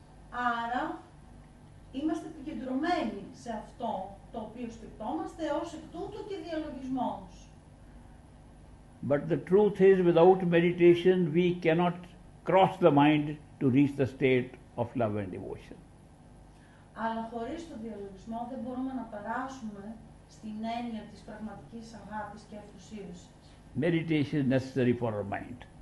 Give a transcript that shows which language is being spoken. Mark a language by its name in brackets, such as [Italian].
[Greek] Άρα, είμαστε επικεντρωμένοι σε αυτό το οποίο σκεφτόμαστε ως εκ τούτου και διαλογισμός. [English] But the truth is, without meditation, we cannot cross the mind to reach the state of love and devotion. [Greek] Αλλά χωρίς το διαλογισμό δεν μπορούμε να περάσουμε στην έννοια της πραγματικής αγάπης και αυτοσύρωσης. [English] Meditation is necessary for our mind.